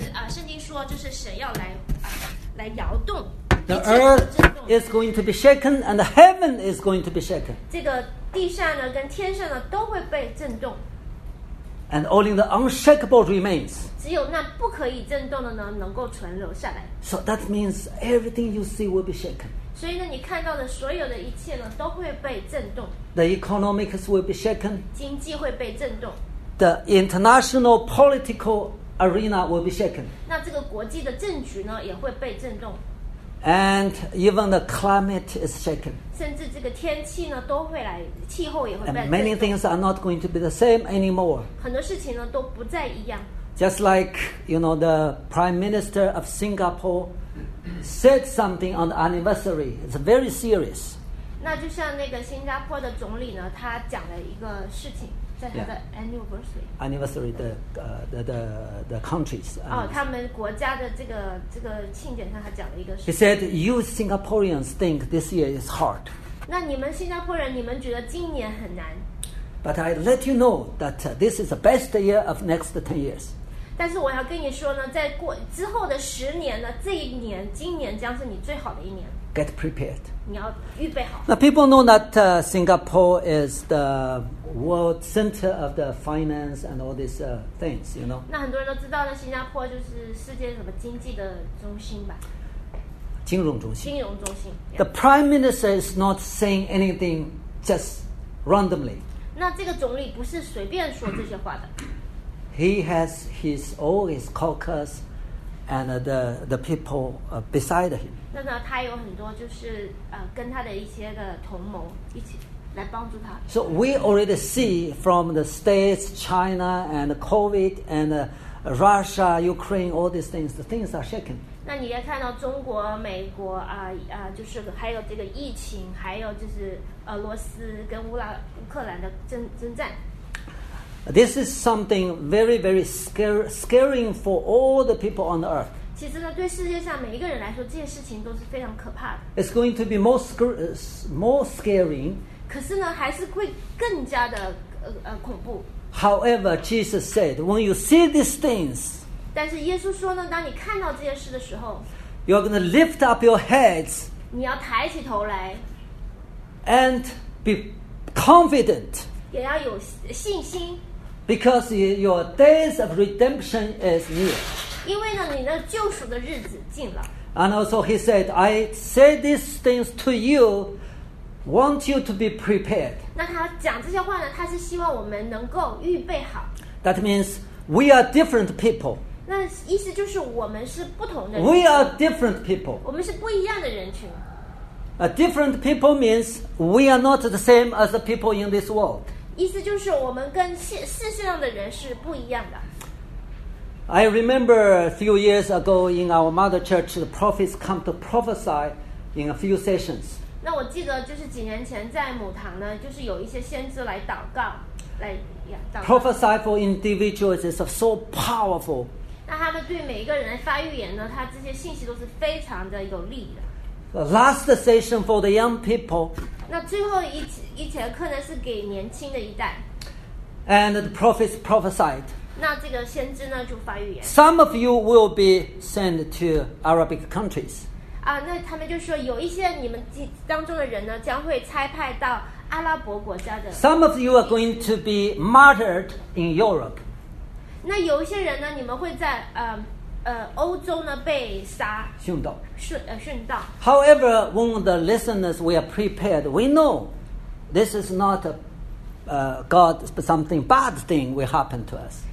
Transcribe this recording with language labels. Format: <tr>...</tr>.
<zh>圣经说就是神要来摇动。</zh> <en>The earth is going to be shaken, and the heaven is going to be shaken.</en> <zh>这个地上呢，跟天上呢，都会被震动。</zh> <en>And only the unshakable remains.</en> <zh>只有那不可以震动的呢，能够存留下来。</zh> <en>So that means everything you see will be shaken.</en> <zh>所以呢，你看到的所有的一切呢，都会被震动。</zh> <en>The economics will be shaken.</en> <zh>经济会被震动。</zh> <en>The international political arena will be shaken.</en> <zh>那这个国际的政局呢，也会被震动。</zh> <en>And even the climate is shaken.</en> <zh>甚至这个天气呢，都会来，气候也会变。</zh> <en>And many things are not going to be the same anymore.</en> <zh>很多事情呢都不再一样。</zh> <en>Just like you know, the Prime Minister of Singapore said something on the anniversary. It's very serious.</en> <zh>那就像那个新加坡的总理呢，他讲了一个事情，在他的 anniversary</zh> <en>的the countries.</en> <zh>他们国家的这个庆典上，他讲了一个事情。</zh> <en>He said, "You Singaporeans think this year is hard."</en> <zh>那你们新加坡人，你们觉得今年很难？</zh> <en>But I let you know that this is the best year of next 10 years.</en> <zh>但是我要跟你说呢，在过之后的十年呢，这一年，今年将是你最好的一年。</zh> <en>Get prepared.</en> <zh>你要预备好。</zh> <en>Now people know that Singapore is the world center of the finance and all these things, you know.</en> <zh>那很多人都知道呢，新加坡就是世界什么经济的中心吧？金融中心。金融中心。</zh> <en>The Prime Minister is not saying anything just randomly.</en> <zh>那这个总理不是随便说这些话的。</zh> <en>He has all his caucus and the people beside him.</en> <zh>那呢，他有很多就是跟他的一些的同谋一起来帮助他。</zh> <en>So we already see from the States, China, and COVID, and Russia, Ukraine, all these things. The things are shaken.</en> <zh>那你也看到中国、美国就是还有这个疫情，还有就是俄罗斯跟乌克兰的征战。</zh> <en>This is something very, very scaring for all the people on the earth.</en> <zh>其实呢，对世界上每一个人来说，这些事情都是非常可怕的。</zh> <en>It's going to be more scaring.</en> <zh>可是呢，还是会更加的恐怖。</zh> <en>However, Jesus said, when you see these things,</en> <zh>但是耶稣说呢，当你看到这些事的时候，</zh> <en>you are going to lift up your heads.</en> <zh>你要抬起头来。</zh> <en>And be confident.</en> <zh>也要有信心</zh> <en>，because your days of redemption is near.</en> <zh>因为呢，你的救赎的日子近了。</zh> <en>And also, he said, "I say these things to you, want you to be prepared."</en> <zh>那他讲这些话呢，他是希望我们能够预备好。</zh> <en>That means we are different people.</en> <zh>那意思就是我们是不同的人。</zh> <en>We are different people.</en> <zh>我们是不一样的人群。</zh> <en>A different people means we are not the same as the people in this world.</en> <zh>意思就是我们跟世上的人是不一样的。</zh> <en>I remember a few years ago in our mother church, the prophets come to prophesy in a few sessions.</en> <zh>那我记得就是几年前在母堂呢，就是有一些先知来祷告，来祷告。</zh> <en>Prophesy for individuals is so powerful.</en> <zh>那他们对每一个人发预言呢，他这些信息都是非常的有力的。</zh> <en>The last session for the young people.</en> <zh>那最后一节课呢，是给年轻的一代。</zh> <en>And the prophets prophesied.</en> <zh>那这个先知呢，就发预言。</zh> <en>Some of you will be sent to Arabic countries.</en> <zh>那他们就说有一些你们当中的人呢，将会差派到阿拉伯国家的。</zh> <en>Some of you are going to be martyred in Europe.</en> <zh>那有一些人呢，你们会在欧洲呢被杀殉道殉道。</zh> <en>However, when the listeners we are prepared, we know this is not God something bad thing will happen to us.</en>